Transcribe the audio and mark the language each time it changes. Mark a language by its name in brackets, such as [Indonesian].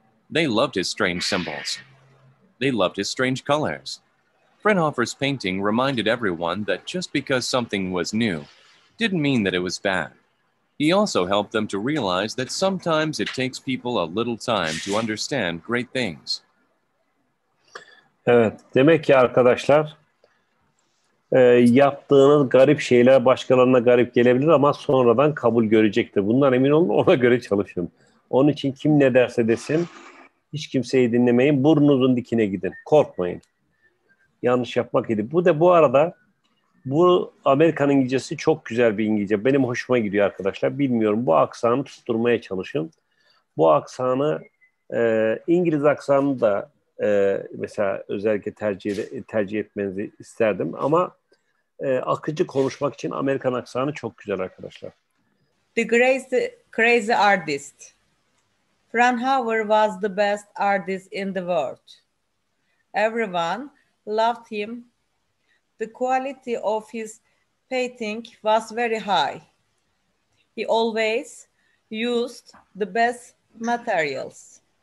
[English] They loved his strange symbols. They loved his strange colors. Fraunhofer's painting reminded everyone that just because something was new didn't mean that it was bad. He also helped them to realize that sometimes it takes people a little time to understand great things. [Turkish] Evet, demek ki arkadaşlar yaptığınız garip şeyler başkalarına garip gelebilir ama sonradan kabul görecektir. Bundan emin olun, ona göre çalışın. Onun için kim ne derse desin, hiç kimseyi dinlemeyin, burnunuzun dikine gidin, korkmayın. Yanlış yapmak idi. Bu da bu arada, bu Amerikan İngilizcesi çok güzel bir İngilizce. Benim hoşuma gidiyor arkadaşlar. Bilmiyorum, bu aksanı tutturmaya çalışın. Bu aksanı, İngiliz aksanını da mesela özellikle tercih etmenizi isterdim. Ama akıcı konuşmak için Amerikan aksanı çok güzel arkadaşlar. [English] The crazy artist. Fraunhofer was the best artist in the world. Everyone loved him. The quality of his painting was very high. He always used the best materials.